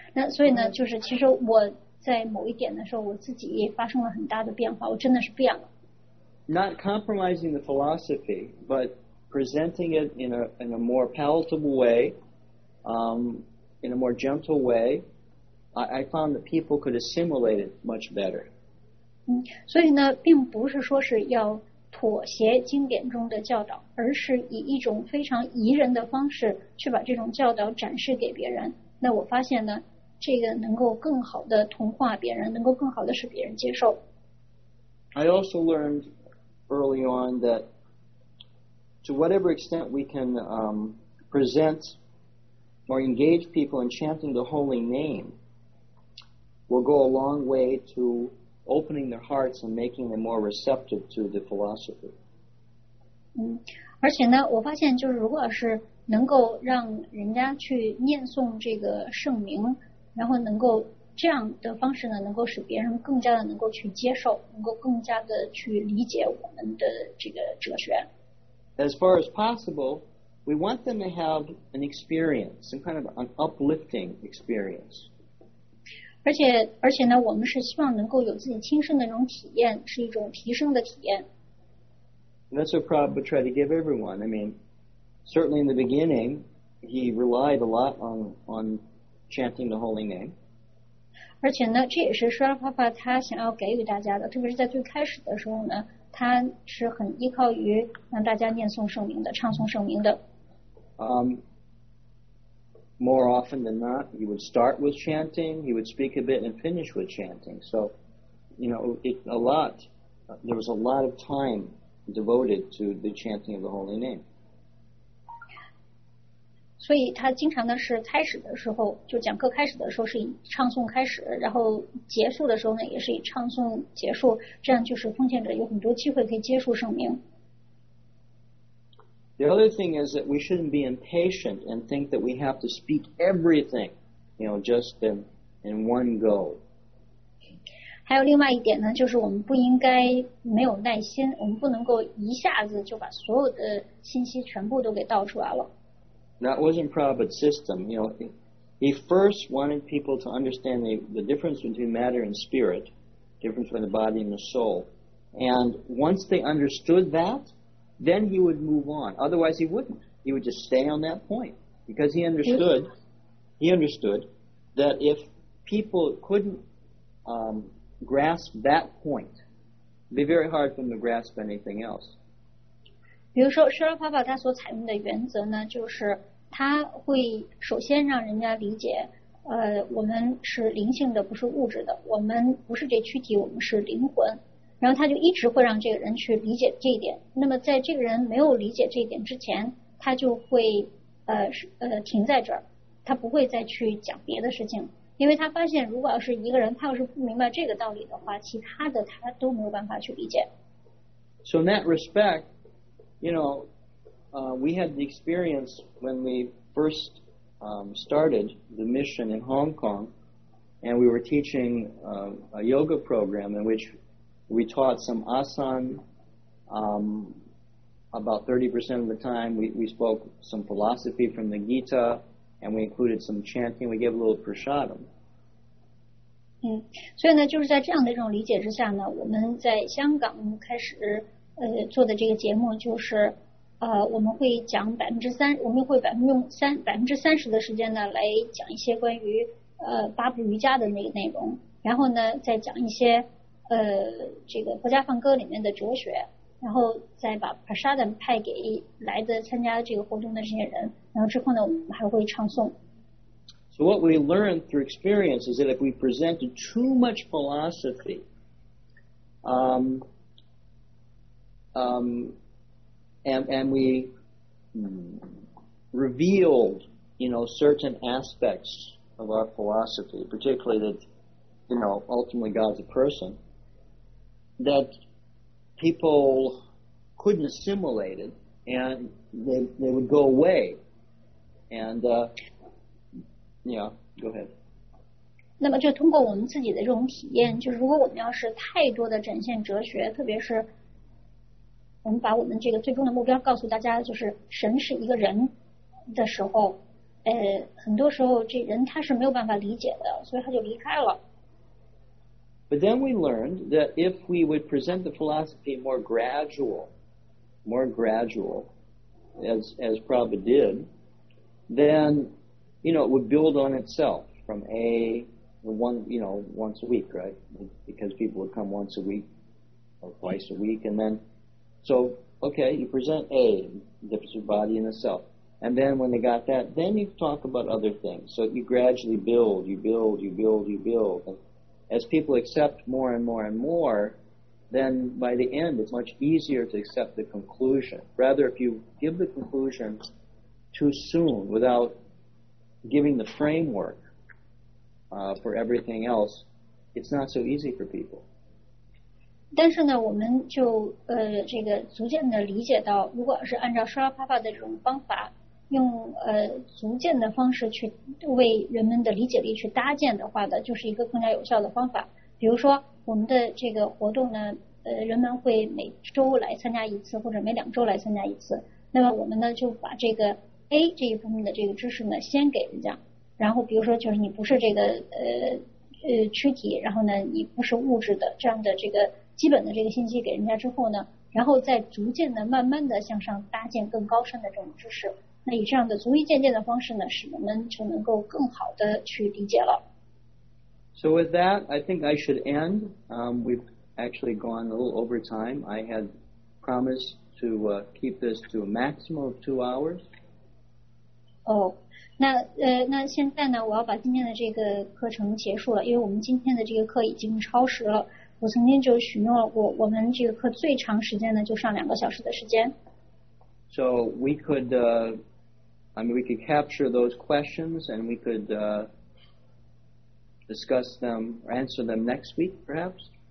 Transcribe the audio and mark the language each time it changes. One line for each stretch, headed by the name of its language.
Chinese: 那所以呢，就是其实我在某一点的时候，我自己也发生了很大的变化，我真的是变了。
English: Not compromising the philosophy, but presenting it in a more palatable way, in a more gentle way, I found that people could assimilate it much better.
Chinese: 所以呢，并不是说是要妥协经典中的教导，而是以一种非常宜人的方式去把这种教导展示给别人。那我发现呢，这个能够更好的同化别人，能够更好的使别人接受。
English: I also learned early on that to whatever extent we can present or engage people in chanting the holy name will go a long way to opening their hearts and making them more receptive to the philosophy.
Chinese: 而且呢，我发现就是如果是能够让人家去念诵这个圣名，然后能够这样的方式呢，能够使别人更加的能够去接受，能够更加的去理解我们的这个哲学。
English: As far as possible, we want them to have an experience, some kind of an uplifting experience.
Chinese: 而且呢，我们是希望能够有自己亲身的那种体验，是一种提升的体验。
English: And that's what Prabhupada tried to give everyone. I mean, certainly in the beginning, he relied a lot on chanting the holy name.
Chinese: 而且呢，这也是舍利帕帕他想要给予大家的，特别是在最开始的时候呢。他是很依靠于让大家念诵圣名的，唱诵圣名的。
English: More often than not, he would start with chanting, he would speak a bit and finish with chanting. So, you know, there was a lot of time devoted to the chanting of the holy name.
Chinese: 所以他经常呢是开始的时候，就讲课开始的时候是以唱诵开始，然后结束的时候呢也是以唱诵结束，这样就是奉献者有很多机会可以接触圣名。
English: The other thing is that we shouldn't be impatient and think that we have to speak everything, you know, just in one go.
Chinese: 还有另外一点呢，就是我们不应该没有耐心，我们不能够一下子就把所有的信息全部都给道出来了。
English: That wasn't Prabhupada's system. You know, he first wanted people to understand the difference between matter and spirit, difference between the body and the soul. And once they understood that, then he would move on. Otherwise, he wouldn't. He would just stay on that point. Because he understood that if people couldn't grasp that point, it would be very hard for them to grasp anything else.
Chinese: 比如说舍利帕帕他所采用的原则呢，就是他会首先让人家理解，我们是灵性的，不是物质的，我们不是这躯体，我们是灵魂。然后他就一直会让这个人去理解这一点。那么在这个人没有理解这一点之前，他就会停在这儿，他不会再去讲别的事情，因为他发现如果要是一个人他要是不明白这个道理的话，其他的他都没有办法去理解。
English: So in that respect, you know,we had the experience when we first started the mission in Hong Kong, and we were teaching a yoga program in which we taught some asan about 30% of the time. We spoke some philosophy from the Gita, and we included some chanting. We gave a little prasadam.
Chinese: 所以呢，就是在这样的一种理解之下呢，我们在香港开始做的这个节目就是。我们会讲3%，我们会用百分之三十的时间呢来讲一些关于八部瑜伽的那个内容，然后呢再讲一些这个《国家梵歌》里面的哲学，然后再把 prasadam 派给来的参加这个活动的这些人，然后之后呢，我们还会唱诵。
English: So what we learn through experience is that if we present too much philosophy, and we reveal, you know, certain aspects of our philosophy, particularly that, you know, ultimately God's a person, that people couldn't assimilate it, and they would go away. And, yeah, go ahead.
Chinese: 那么就通过我们自己的这种体验，就是如果我们要是太多的展现哲学，特别是我们把我们这个最终的目标告诉大家，就是神是一个人的时候，很多时候这人他是没有办法理解的，所以他就离开了。
English: But then we learned that if we would present the philosophy more gradual, as Prabhupada did, then, you know, it would build on itself from A, one, you know, once a week, right? Because people would come once a week or twice a week. And then, so, okay, you present A, the difference of body and the self. And then when they got that, then you talk about other things. So you gradually build, you build. As people accept more and more and more, then by the end, it's much easier to accept the conclusion. Rather, if you give the conclusion too soon without giving the framework for everything else, it's not so easy for people.
Chinese: 但是呢，我们就这个逐渐的理解到，如果是按照沙拉帕帕的这种方法，用逐渐的方式去为人们的理解力去搭建的话呢，就是一个更加有效的方法。比如说我们的这个活动呢，人们会每周来参加一次，或者每两周来参加一次。那么我们呢，就把这个 A 这一方面的这个知识呢先给人家，然后比如说就是你不是这个躯体，然后呢你不是物质的这样的这个基本的这个信息给人家之后呢，然后再逐渐的慢慢的向上搭建更高深的这种知识。那以这样的逐一渐进的方式呢，使我们就能够更好的去理解了。
English: So with that, I think I should end. We've actually gone a little over time. I had promised to keep this to a maximum of 2 hours.
Chinese: 那现在呢，我要把今天的这个课程结束了，因为我们今天的这个课已经超时了。我曾经就许诺过，我们这个课最长时间呢，就上2个小时的时间。
English: So we could, we could capture those questions and we could discuss them or answer them next week, perhaps.